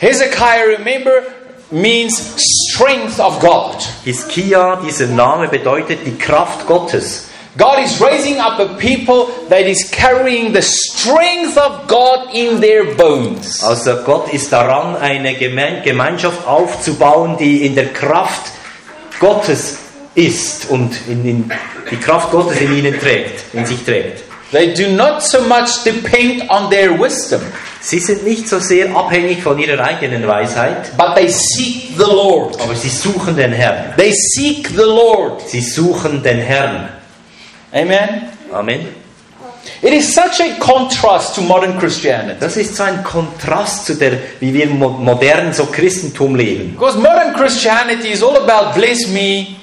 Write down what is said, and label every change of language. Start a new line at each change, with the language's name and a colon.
English: Hezekiah, remember, means strength of God.
German: Hiskia, dieser Name bedeutet die Kraft Gottes.
English: God is raising up a people that is carrying the strength of God in their bones.
German: Also Gott ist daran, eine Gemeinschaft aufzubauen, die in der Kraft Gottes ist und in die Kraft Gottes in ihnen trägt, in sich trägt.
English: They do not so much depend on their wisdom.
German: Sie sind nicht so sehr abhängig von ihrer eigenen Weisheit.
English: But they seek the Lord.
German: Aber sie suchen den Herrn.
English: They seek the Lord.
German: Sie suchen den Herrn.
English: Amen.
German: Amen.
English: It is such a contrast to modern Christianity.
German: Das ist so ein Kontrast zu der, wie wir modern so Christentum leben.
English: Because modern Christianity is all about bless me.